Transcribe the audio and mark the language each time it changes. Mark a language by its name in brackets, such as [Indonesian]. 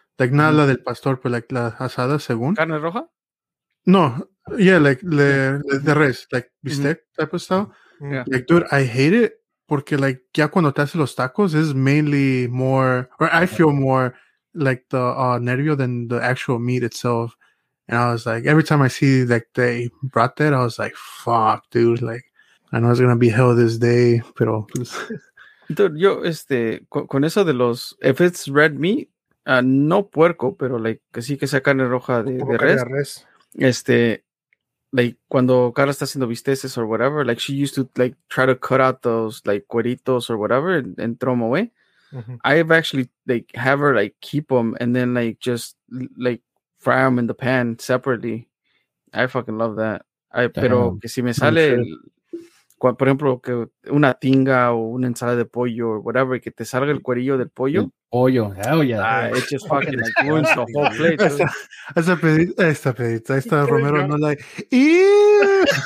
[Spanish] Like, nada la del pastor, pero like, la asada según. ¿Carne roja? [English] No, yeah, like, the res, like, bistec type of style. Yeah. Like, dude, I hate it porque, like, ya cuando te hace los tacos, it's mainly more, or I feel more like the nervio than the actual meat itself. And I was like, every time I see like they brought that, I was like, fuck, dude, like, I know it's gonna be hell this day, pero. [Spanish] Dude, yo, con eso de los, if it's red meat, no puerco, pero, like, que sí que sea carne roja de res. [English] Like, cuando Carla está haciendo bisteces or whatever, like, she used to, like, try to cut out those, like, cueritos or whatever and throw them away. Mm-hmm. I've actually, like, have her, like, keep them and then, like, just, like, fry them in the pan separately. I fucking love that. [Spanish] Pero que si me sale, por ejemplo, que una tinga o una ensalada de pollo or whatever, que te salga el cuerillo del pollo. Mm-hmm. [English] Pollo, hell yeah. It just fucking like ruins the whole place. [Spanish] Esta pedita, Romero, no like, ew!